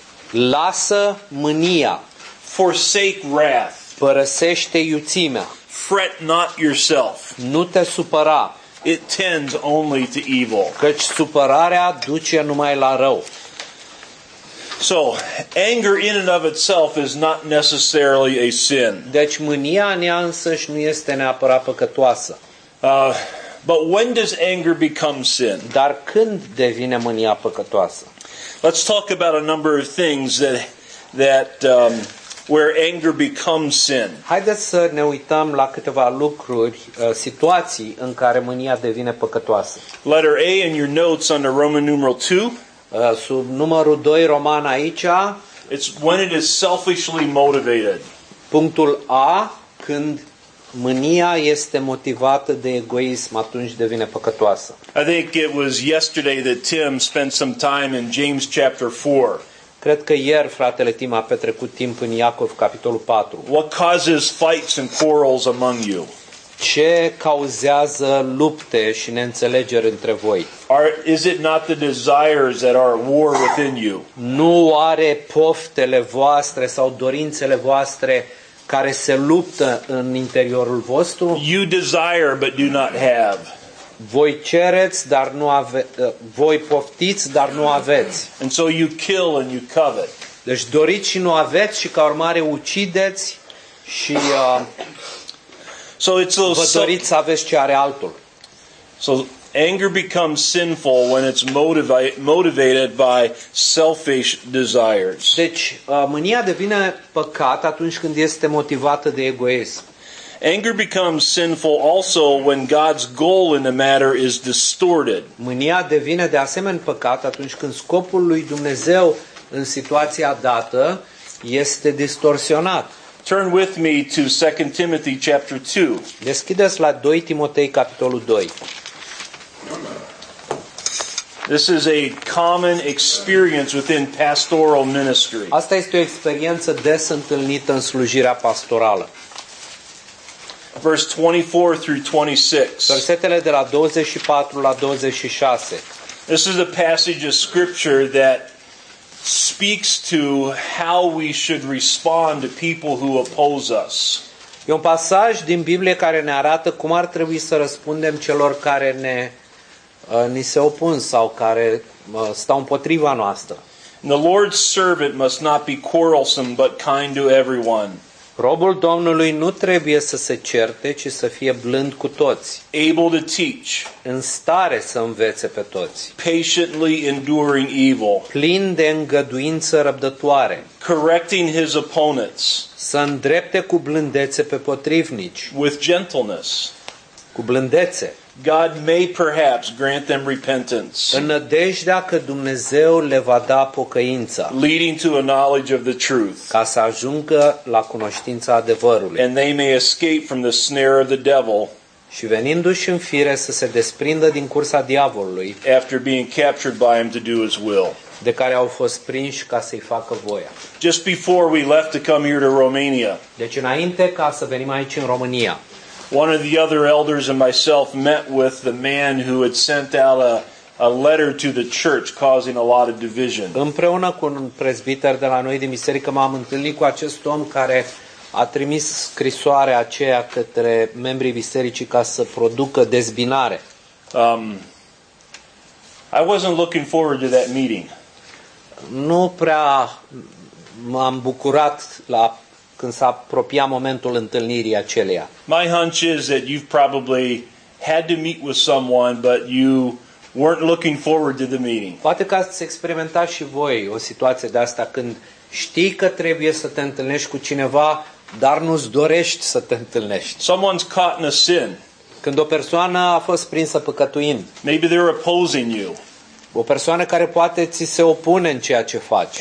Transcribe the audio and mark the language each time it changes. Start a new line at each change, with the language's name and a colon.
Romanian: Lasă mânia.
English: Forsake wrath.
Romanian: Părăsește iuțimea.
English: Fret not yourself.
Romanian: Nu te supăra.
English: It tends only to evil.
Romanian: Căci supărarea duce numai la rău.
English: So, anger in and of itself is not necessarily a sin.
Romanian: Deci mânia în ea însăși nu este neapărat păcătoasă.
English: But when does anger become sin?
Romanian: Dar când devine mânia păcătoasă?
English: Let's talk about a number of things that where anger becomes sin.
Romanian: Haideți să ne uităm la câteva lucruri, situații în care mânia devine păcătoasă.
English: Letter A in your notes under Roman numeral 2.
Romanian: Sub numărul 2 roman aici.
English: It's when it is selfishly motivated.
Romanian: Punctul A, când mânia este motivată de egoism, atunci devine păcătoasă.
English: I think it was yesterday that Tim spent some time in James chapter 4.
Romanian: Cred că ieri fratele Tim a petrecut timp în Iacov capitolul 4.
English: What causes fights and quarrels among you?
Romanian: Ce cauzează lupte și neînțelegeri între voi?
English: Is it not the desires that are at war within you?
Romanian: Nu are poftele voastre sau dorințele voastre care se luptă în interiorul vostru?
English: You desire but do not have.
Romanian: Voi cereți, dar nu voi poftiți, dar nu aveți.
English: And so you kill and you covet.
Romanian: Deci doriți și nu aveți și ca urmare ucideți și vă doriți să aveți ce are altul.
English: So anger becomes sinful when it's motivated by selfish desires.
Romanian: Deci mânia devine păcat atunci când este motivată de egoism.
English: Anger becomes sinful also when God's goal in the matter is distorted.
Romanian: Mânia devine de asemenea păcat atunci când scopul lui Dumnezeu în situația dată este distorsionat.
English: Turn with me to 2 Timothy chapter 2.
Romanian: Deschideți la 2 Timotei capitolul 2.
English: This is a common experience within pastoral ministry.
Romanian: Asta este o experiență des întâlnită în slujirea pastorală.
English: Verse 24 through 26.
Romanian: Versetele de la 24 la 26.
English: This is a passage of scripture that speaks to how we should respond to people who oppose us.
Romanian: E un pasaj din Biblie care ne arată cum ar trebui să răspundem celor care ni se opun sau care stau împotriva noastră.
English: The Lord's servant must not be quarrelsome but kind to everyone.
Romanian: Robul Domnului nu trebuie să se certe, ci să fie blând cu toți.
English: Able to teach.
Romanian: În stare să învețe pe toți.
English: Patiently enduring evil.
Romanian: Plin de îngăduință răbdătoare.
English: Correcting his opponents.
Romanian: Să îndrepte cu blândețe pe potrivnici.
English: With gentleness.
Romanian: Cu blândețe.
English: God may perhaps grant them repentance.
Romanian: În nădejdea că Dumnezeu le va da pocăința.
English: Leading to a knowledge of the truth.
Romanian: Ca să ajungă la cunoștința adevărului.
English: And they may escape from the snare of the devil.
Romanian: Și venindu-și în fire să se desprindă din cursa diavolului.
English: After being captured by him to do his will.
Romanian: De care au fost prinși ca să-i facă voia.
English: Just before we left to come here to Romania.
Romanian: Deci înainte ca să venim aici în România.
English: One of the other elders and myself met with the man who had sent out a letter to the church causing a lot of division.
Romanian: Împreună cu un presbiter de la noi din biserică m-am întâlnit cu acest om care a trimis scrisoarea aceea către membrii bisericii ca să producă dezbinare.
English: I wasn't looking forward to that meeting.
Romanian: Nu prea m-am bucurat la când s-a apropiat momentul întâlnirii aceleia.
English: My hunch is that you've probably had to meet with someone but you weren't looking forward to the meeting.
Romanian: Poate că ați experimentat și voi o situație de asta când știi că trebuie să te întâlnești cu cineva, dar nu-ți dorești să te întâlnești.
English: Someone's caught in a sin.
Romanian: Când o persoană a fost prinsă păcătuind.
English: Maybe they're opposing you.
Romanian: O persoană care poate ți se opune în ceea ce faci.